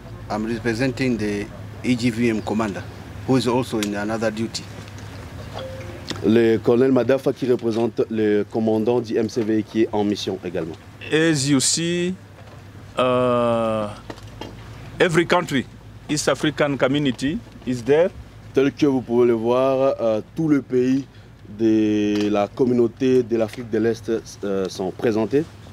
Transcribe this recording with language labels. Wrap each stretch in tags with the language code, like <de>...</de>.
<en>I'm representing the EGVM commander, who is also in another duty.</en> <fr>Le colonel Madafa qui représente le commandant du MCV qui est en mission également.</fr> <en>As you see, every country, East African community is there.</en> <fr>Tel que vous pouvez le voir, tout le pays de la communauté de l'Afrique de l'Est sont présentés.</fr>